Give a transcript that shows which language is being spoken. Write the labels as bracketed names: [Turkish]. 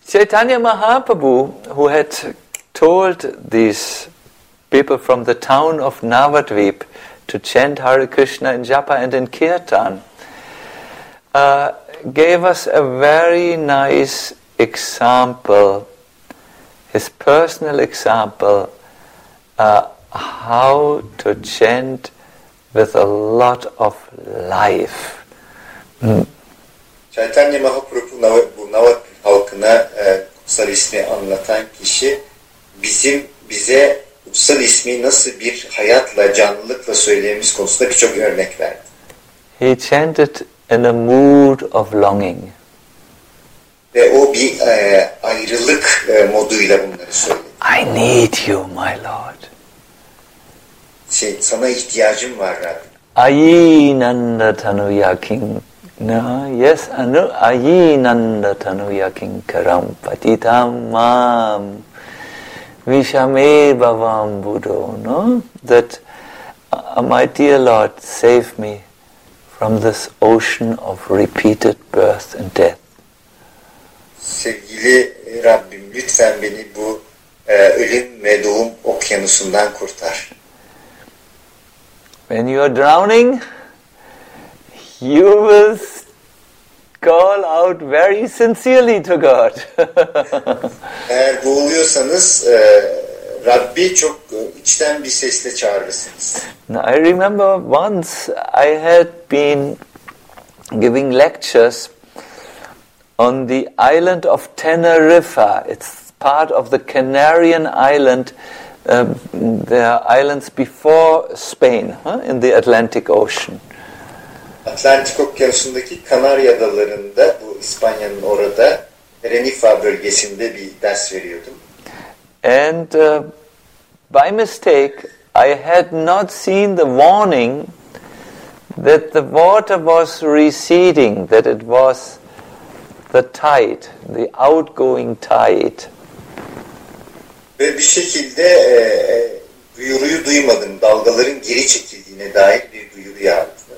[English] Chaitanya Mahaprabhu, who had told these people from the town of Navadvip to chant Hare Krishna in Japa and in Kirtan, gave us a very nice example, his personal example, how to chant with a lot of life. [Turkish] Chaitanya Mahaprabhu bu Navadvip halkına kutsal ismi anlatan kişi bize kutsal ismi nasıl bir hayatla, canlılıkla söylememiz konusunda birçok örnek verdi. [English] He chanted in a mood of longing. [Turkish] Ve o bir ayrılık moduyla bunları söyledi. [English] I need you, my Lord. [Turkish] Sana ihtiyacım var Rabbim. [Sanskrit] Ayi nanda tanuyakin. No, yes, anu ayi nanda tanuyakin karam patitam mam. Vishame bhavam budo, no? [English] That, my dear Lord, save me from this ocean of repeated birth and death. [Turkish] Sevgili Rabbim, lütfen beni bu ölüm ve doğum okyanusundan kurtar. [English] When you are drowning, you will call out very sincerely to God. [Turkish] Eğer boğuluyorsanız Rabbi çok içten bir sesle çağırırsınız. [English] Now, I remember once I had been giving lectures on the island of Tenerife. It's part of the Canarian island. There are islands before Spain in the Atlantic Ocean. [Turkish] Atlantik Okyanusu'ndaki Kanarya Adaları'nda, bu İspanya'nın orada, Renifa bölgesinde bir ders veriyordum. [English] And by mistake, I had not seen the warning that the water was receding, that it was the tide, the outgoing tide. [Turkish] Ve bir şekilde duyuruyu duymadım, dalgaların geri çekildiğine dair bir duyuru yaptım.